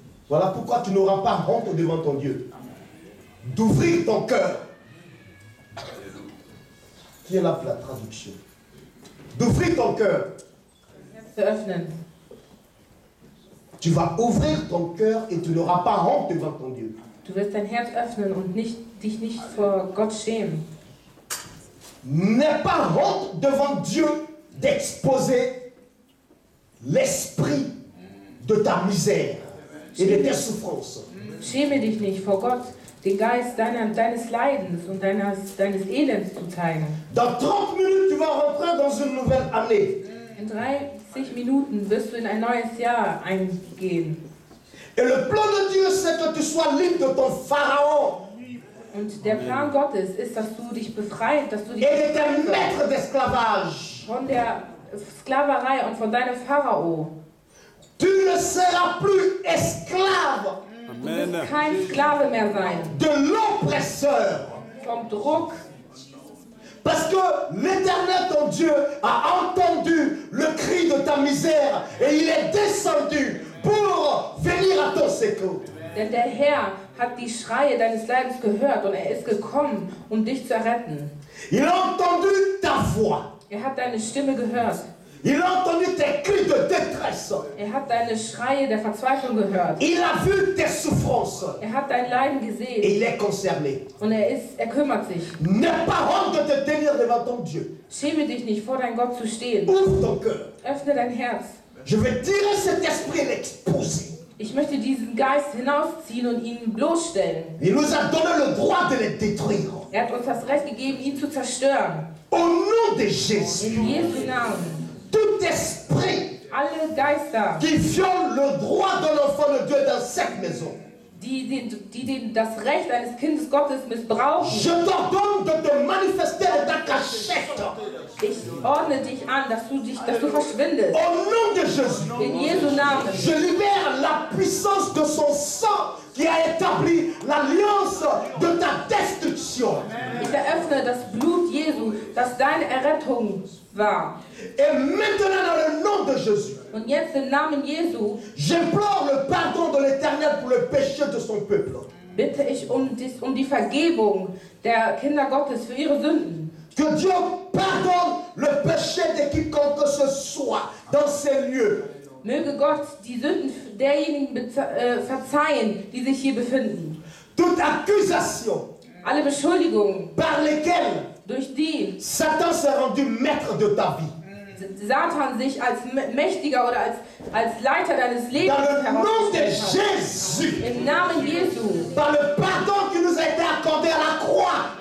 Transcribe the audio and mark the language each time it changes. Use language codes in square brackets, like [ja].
[fr] Voilà pourquoi tu n'auras pas honte devant ton Dieu d'ouvrir ton cœur. Qui est là pour la traduction? D'ouvrir ton cœur. Tu vas ouvrir ton cœur et tu n'auras pas honte devant ton Dieu. [de] Du wirst dein Herz öffnen und nicht, dich nicht vor Gott schämen. [fr] N'aie pas honte devant Dieu d'exposer l'esprit de ta misère et de tes souffrances. [de] Schäme dich nicht vor Gott, den Geist deines Leidens und deines Elends zu zeigen. [fr] Dans 30 minutes, tu vas rentrer dans une nouvelle année. [de] In 30 Minuten wirst du in ein neues Jahr eingehen. [fr] Et le plan de Dieu, c'est que tu sois libre de ton Pharaon. [de] Und der Amen. Plan Gottes ist, dass du dich befreit, dass du dich [fr] et de ton maître d'esclavage. [de] Von der Sklaverei und von deinem Pharao. [fr] Tu ne seras plus esclave. [de] Du wirst kein Sklave mehr sein. [fr] De l'oppresseur. [de] Vom Druck. [fr] Parce que l'Éternel, ton Dieu, a entendu le cri de ta misère et il est descendu pour venir à ton secours. [de] Denn der Herr hat die Schreie deines Leibes gehört und er ist gekommen, um dich zu retten. [fr] Il a entendu ta voix. [de] Er hat deine Stimme gehört. [fr] Il a entendu tes cris de détresse. [de] Er hat deine Schreie der Verzweiflung gehört. [fr] Il a vu tes souffrances. [de] Er hat dein Leiden gesehen. [fr] Et il est concerné. [de] Und er kümmert sich. [fr] N'aie pas honte de te tenir devant ton Dieu. [de] Schäme dich nicht, vor dein Gott zu stehen. [fr] Ouvre ton cœur. [de] Öffne dein Herz. [fr] Je vais tirer cet esprit et l'exposer. [de] Ich möchte diesen Geist hinausziehen und ihn bloßstellen. [fr] Il nous a donné le droit de le détruire. [de] Er hat uns das Recht gegeben, ihn zu zerstören. [fr] Au nom de Jésus. [de] In Jesu Namen. [fr] Tout esprit [de] alle Geister, [fr] qui viole le droit de l'enfant de Dieu dans cette maison, [de] die das Recht eines Kindes Gottes missbrauchen, [fr] je t'ordonne de te manifester dans ta cachette. [de] Ich ordne dich an, dass du verschwindest. [fr] Au nom de Jésus, [de] in Jesu Namen, [fr] je libère la puissance de son sang qui a établi l'alliance de ta destruction. [de] Ich eröffne das Blut Jesu, das deine Errettung war. [fr] Et maintenant dans le nom de Jésus. [de] Und jetzt im Namen Jesu. [fr] J'implore le pardon de l'Éternel pour le péché de son peuple. [de] Bitte ich um die Vergebung der Kinder Gottes für ihre Sünden. [fr] Que Dieu pardonne le péché de quiconque ce soit dans ces lieux. [de] Möge Gott die Sünden derjenigen verzeihen, die sich hier befinden. [fr] Toute accusation. [de] Alle Beschuldigungen. [fr] Par lesquelles. [de] Durch die [fr] Satan s'est rendu maître de ta vie. [de] Satan sich als mächtiger oder als Leiter deines Lebens herausgestellt hat. Im Namen Jesu. [fr] Par le pardon qui nous a été accordé à la croix.